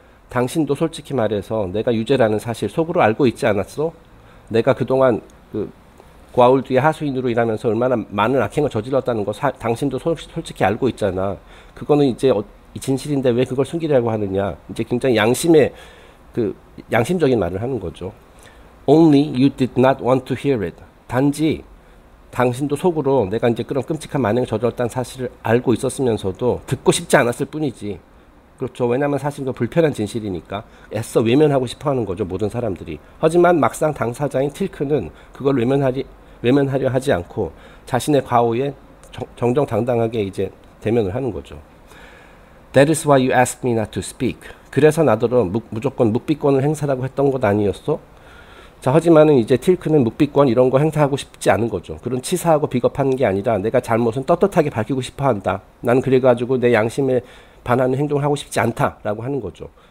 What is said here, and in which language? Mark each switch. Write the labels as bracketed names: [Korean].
[Korean] 당신도 솔직히 말해서 내가 유죄라는 사실 속으로 알고 있지 않았어? 내가 그동안 그 과울드의 하수인으로 일하면서 얼마나 많은 악행을 저질렀다는 거 당신도 솔직히 알고 있잖아. 그거는 이제 진실인데 왜 그걸 숨기려고 하느냐. 이제 굉장히 양심적인 말을 하는 거죠. [English] Only you did not want to hear it. [Korean] 단지 당신도 속으로 내가 이제 그런 끔찍한 만행을 저질렀다는 사실을 알고 있었으면서도 듣고 싶지 않았을 뿐이지. 그렇죠. 왜냐하면 사실 그 불편한 진실이니까 애써 외면하고 싶어 하는 거죠. 모든 사람들이. 하지만 막상 당사자인 틸크는 그걸 외면하려 하지 않고 자신의 과오에 정정당당하게 이제 대면을 하는 거죠. [English] That is why you asked me not to speak. [Korean] 그래서 나더러 무조건 묵비권을 행사라고 했던 것 아니었어? 자, 하지만은 이제 틸크는 묵비권 이런 거 행사하고 싶지 않은 거죠. 그런 치사하고 비겁한 게 아니라 내가 잘못은 떳떳하게 밝히고 싶어 한다. 난 그래가지고 내 양심에 반하는 행동을 하고 싶지 않다라고 하는 거죠.